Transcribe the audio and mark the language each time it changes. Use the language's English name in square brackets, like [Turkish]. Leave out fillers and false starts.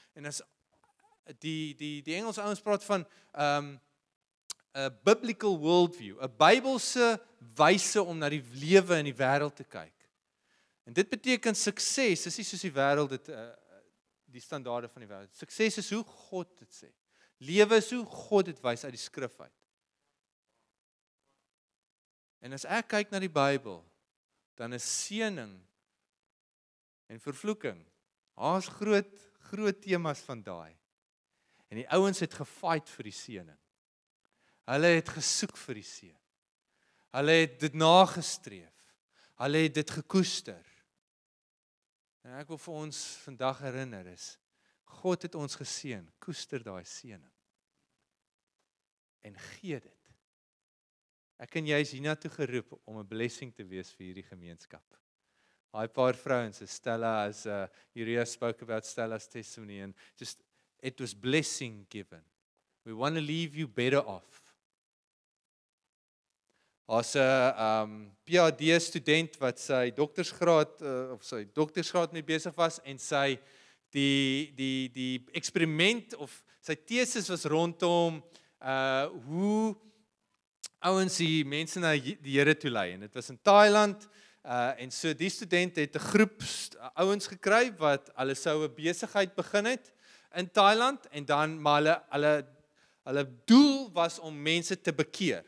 [Afrikaans] En as die Engels ouens praat van 'n [English] biblical worldview, [Afrikaans] 'n Bybelse wyse om na die lewe in die wêreld te kyk. En dit beteken sukses is nie soos die wêreld dit die standaarde van die wêreld. Sukses is hoe God dit sê. Lewe is hoe God dit wys uit die skrif uit. En as ek kyk na die Bybel, dan is seëning en vervloeking haas groot temas van daai. En die ouens het gefight vir die seëning. Hulle het gesoek vir die seën. Hulle het dit nagestreef. Hulle het dit gekoester. En ek wil vir ons vandag herinner is, God het ons geseën, koester daai seëning. En gee dit. Ek en jy is hiernatoe geroep om 'n blessing te wees vir hierdie gemeenskap. Daai paar vrouens, [English] Stella as Yuria spoke about Stella's testimony and just it was blessing given. We want to leave you better off. [Afrikaans] As 'n PhD student wat sy doktorsgraad of sy doktorsgraad mee besig was en sy die eksperiment of sy tesis was rondom hoe ouens die mense na die Here toe lei en dit was in Thailand en so die student het 'n groep ouens gekry wat hulle sou 'n besigheid begin het in Thailand en dan maar hulle doel was om mense te bekeer.